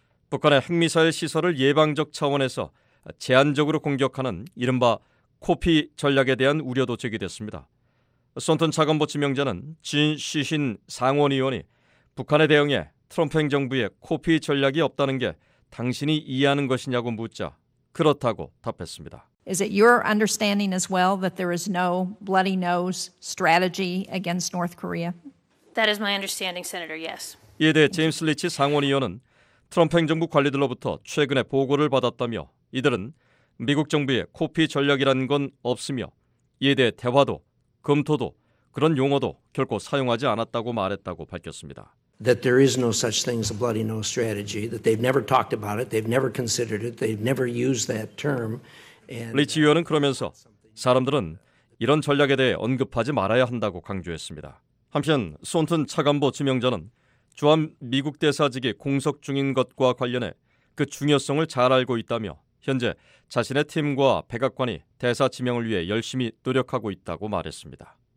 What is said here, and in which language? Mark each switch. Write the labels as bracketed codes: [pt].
[ko] 북한의 핵미사일 시설을 예방적 차원에서 제한적으로 공격하는 이른바 코피 전략에 대한 우려도 제기됐습니다. 손튼 차관보 지명자는 진 시신 상원의원이 북한의 대응에 트럼프 행정부의 코피 전략이 없다는 게 당신이 이해하는 것이냐고 묻자 그렇다고 답했습니다. [en] Is it your understanding as well that there is no bloody nose strategy against North Korea? That is my understanding, Senator. Yes. [ko] 이에 대해 제임스 리치 상원의원은 트럼프 행정부 관리들로부터 최근에 보고를 받았다며 이들은 미국 정부의 코피 전략이라는 건 없으며 이에 대해 대화도 검토도 그런 용어도 결코 사용하지 않았다고 말했다고 밝혔습니다. [en] That there is no such thing as a bloody nose strategy. That they've never talked about it. They've never considered it. They've never used that term. [ko] 리치 의원은 그러면서 사람들은 이런 전략에 대해 언급하지 말아야 한다고 강조했습니다. 한편 손튼 차관보 지명자는 주한 미국 대사직이 공석 중인 것과 관련해 그 중요성을 잘 알고 있다며 현재 자신의 팀과 백악관이 대사 지명을 위해 열심히 노력하고 있다고 말했습니다.